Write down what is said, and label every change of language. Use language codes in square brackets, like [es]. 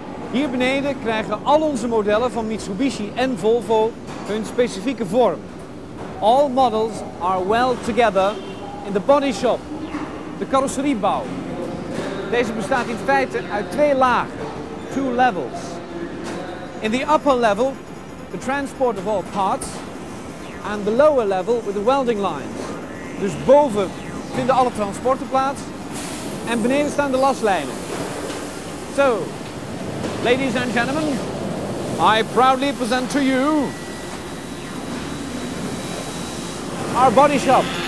[nl] Hier beneden krijgen al onze modellen van Mitsubishi en Volvo hun specifieke vorm. [en] All models are well together in the body shop, de carrosseriebouw. [nl] Deze bestaat in feite uit twee lagen, [en] two levels. In the upper level, the transport of all parts, and the lower level with the welding lines. [nl] Dus boven vinden alle transporten plaats en beneden staan de lastlijnen. [en] So, ladies and gentlemen, I proudly present to you our body shop.